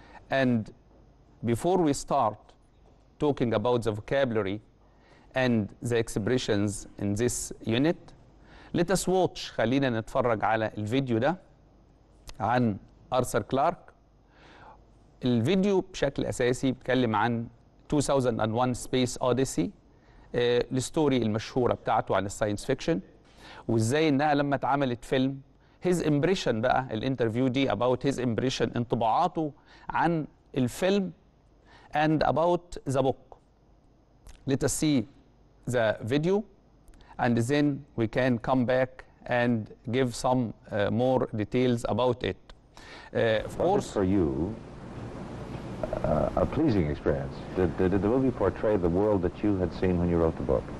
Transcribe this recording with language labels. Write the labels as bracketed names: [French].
[English] And before we start talking about the vocabulary and the expressions in this unit, let us watch, [Arabic] خلينا نتفرج على الفيديو ده عن آرثر كلارك. الفيديو بشكل أساسي بيتكلم عن 2001 Space Odyssey، الستوري المشهورة بتاعته عن الساينس فيكشن، وإزاي إنها لما اتعملت فيلم، [English] his impression [Arabic] بقى الانترفيو دي [English] about his impression، [Arabic] انطباعاته عن الفيلم [English] and about the book. Let us see the video and then we can come back and give some more details about it. Of course, for you, a pleasing experience. Did the movie portray the world that you had seen when you wrote the book?